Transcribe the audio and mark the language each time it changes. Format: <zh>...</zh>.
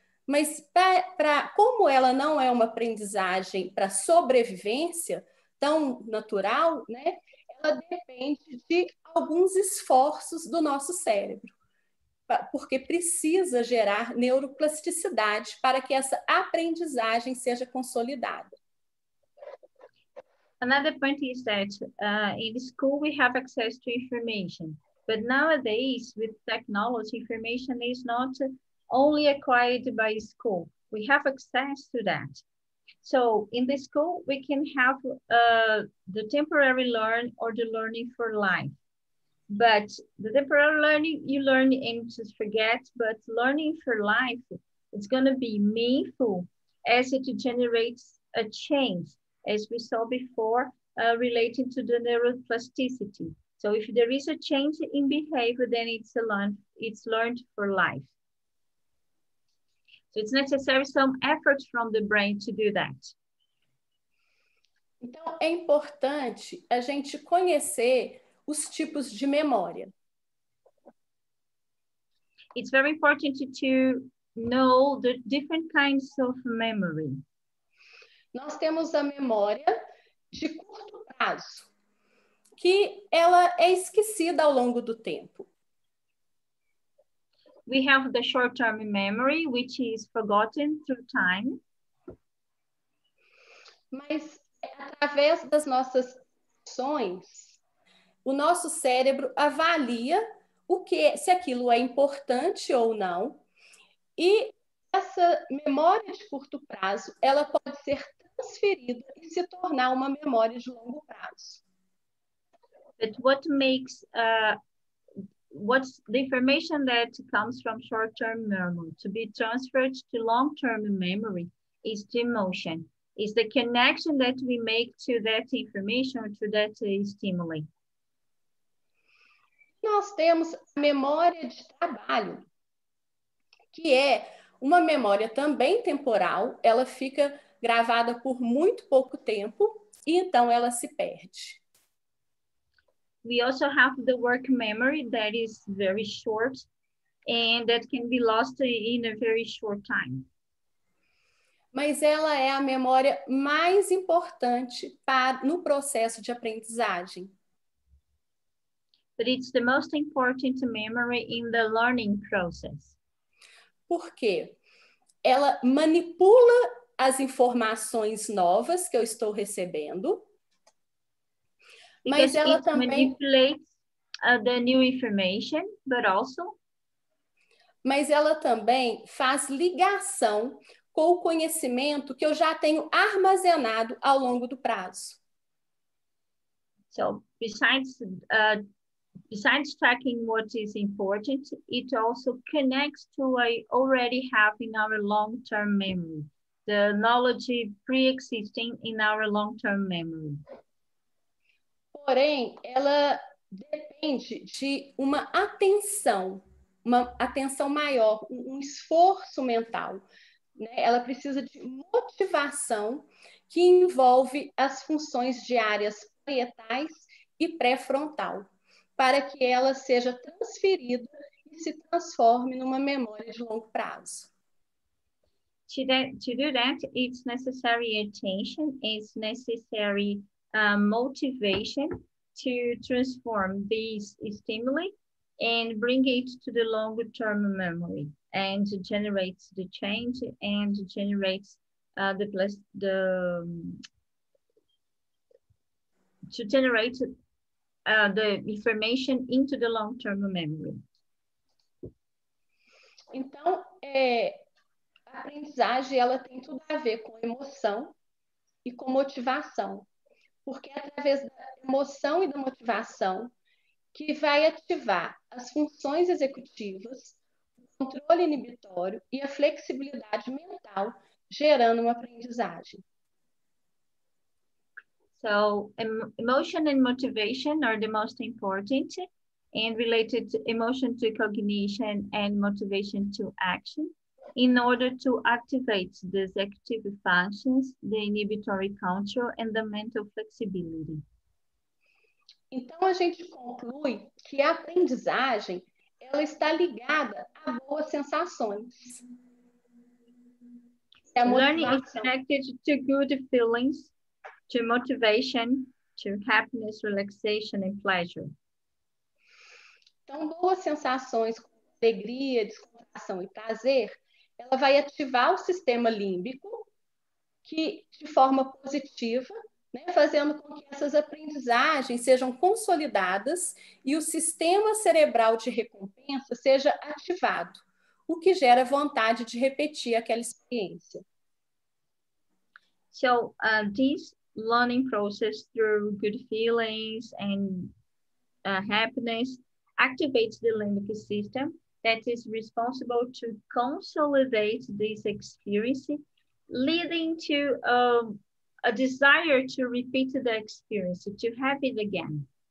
<pt>Mas como ela não é uma aprendizagem para sobrevivência tão natural, né? Ela depende de alguns esforços do nosso cérebro, porque precisa gerar neuroplasticidade para que essa aprendizagem seja consolidada.</pt> <en>Another point is that in school we have access to information, but nowadays with technology, information is not only acquired by school. We have access to that. So in the school we can have the temporary learn or the learning for life. But the temporary learning, you learn and just forget, but learning for life, it's going to be meaningful as it generates a change, as we saw before, related to the neuroplasticity. So if there is a change in behavior, then it's learned for life. So it's necessary some effort from the brain to do that.</en> <pt>Então, é importante a gente conhecer os tipos de memória.</pt> <en>It's very important to know the different kinds of memory.</en> <pt>Nós temos a memória de curto prazo, que ela é esquecida ao longo do tempo.</pt> <en>We have the short-term memory, which is forgotten through time.</en> <pt>Mas através das nossas ações, o nosso cérebro avalia o que, se aquilo é importante ou não. E essa memória de curto prazo, ela pode ser transferida e se tornar uma memória de longo prazo.</pt> <en>But what makes what's the information that comes from short-term memory to be transferred to long-term memory is the emotion. Is the connection that we make to that information, to that stimuli.</en> <pt>Nós temos a memória de trabalho, que é uma memória também temporal, ela fica gravada por muito pouco tempo e então ela se perde.</pt> <en>We also have the work memory that is very short, and that can be lost in a very short time.</en> <pt>Mas ela é a memória mais importante para, no processo de aprendizagem.</pt> <en>But it's the most important memory in the learning process.</en> <pt>Por quê? Ela manipula as informações novas que eu estou recebendo.</pt> <en>Because</en> <pt>mas ela também</pt> <en>manipulates the new information, but also</en> <pt>mas ela também faz ligação com o conhecimento que eu já tenho armazenado ao longo do prazo.</pt> <en>So, besides tracking what is important, it also connects to what I already have in our long-term memory, the knowledge pre-existing in our long-term memory.</en> <pt>Porém, ela depende de uma atenção, maior, um esforço mental. Ela precisa de motivação que envolve as funções de áreas parietais e pré-frontal para que ela seja transferida e se transforme numa memória de longo prazo.</pt> <en>To do that, it's necessary attention, it's necessary motivation to transform these stimuli and bring it to the long-term memory. And generates the change and generates the information into the long-term memory.</en> <pt>Então, a aprendizagem ela tem tudo a ver com emoção e com motivação, porque é através da emoção e da motivação que vai ativar as funções executivas, controle inibitório e a flexibilidade mental gerando uma aprendizagem.</pt> <en>So, emotion and motivation are the most important and related to emotion to cognition and motivation to action in order to activate the executive functions, the inhibitory control and the mental flexibility.</en> <pt>Então a gente conclui que a aprendizagem ela está ligada a boas sensações. É a</pt> <en>learning is connected to good feelings, to motivation, to happiness, relaxation and pleasure.</en> <pt>Então, boas sensações, alegria, descontração e prazer, ela vai ativar o sistema límbico que, de forma positiva, né, fazendo com que essas aprendizagens sejam consolidadas e o sistema cerebral de recompensa seja ativado, o que gera vontade de repetir aquela experiência.</pt> <en>So, this learning process through good feelings and happiness activates the limbic system that is responsible to consolidate this experience, leading to a desire to repeat the experience, to have it again.</en>